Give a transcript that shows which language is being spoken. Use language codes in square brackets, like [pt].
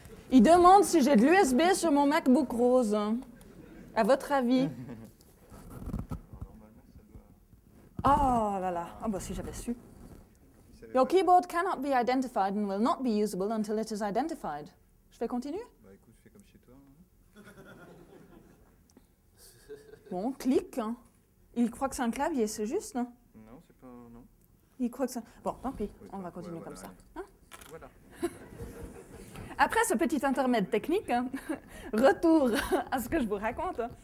[fr] Il demande si j'ai de l'USB sur mon MacBook rose. À votre avis ? Oh là là, oh, bah, si j'avais su. [en] Your keyboard cannot be identified and will not be usable until it is identified. [fr] Je vais continuer ? Bah écoute, fais comme chez toi. Bon, clique. Il croit que c'est un clavier, c'est juste, non ? Non, c'est pas... Non. Il croit que ça... Bon, tant pis, on va continuer voilà, comme ça. Hein ? Voilà. Après ce petit intermède technique, retour à ce que je vous raconte.